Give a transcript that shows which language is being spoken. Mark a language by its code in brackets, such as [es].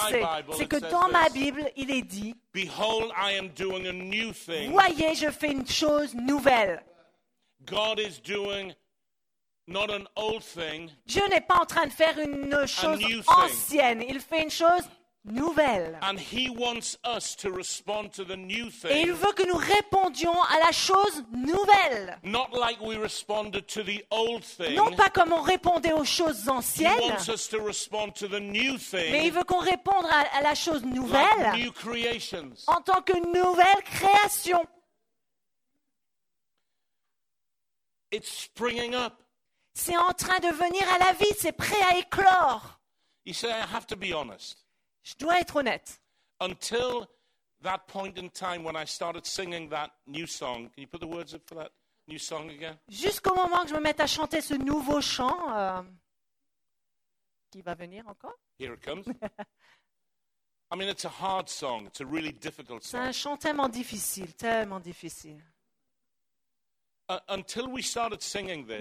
[en] my [fr] sais, [en] Bible, [fr] c'est que dans [en] this, [fr] ma Bible, il est dit, [en] behold, I am doing a new thing. [fr] Voyez, je fais une chose nouvelle. [en] God is doing not an old thing, [fr] Dieu n'est pas en train de faire une chose ancienne. Il fait une chose nouvelle. [en] And he wants us to respond to the new thing. [fr] Et il veut que nous répondions à la chose nouvelle. [en] Not like we responded to the old thing. [fr] Non pas comme on répondait aux choses anciennes. [en] He wants us to respond to the new thing. [fr] Mais il veut qu'on réponde à la chose nouvelle. [en] Like new creations. [fr] En tant que nouvelle création. [en] It's springing up. [fr] C'est en train de venir à la vie, c'est prêt à éclore. [en] He said, I have to be honest. [fr] Je dois être honnête. [en] Until that point in time when I started singing that new song, can you put the words up for that new song again? [fr] Jusqu'au moment que je me mette à chanter ce nouveau chant, qui va venir encore? [en] Here it comes. I mean, it's a hard song. It's a really difficult song. [fr] C'est un chant tellement difficile, tellement difficile. [en] Until we started singing this.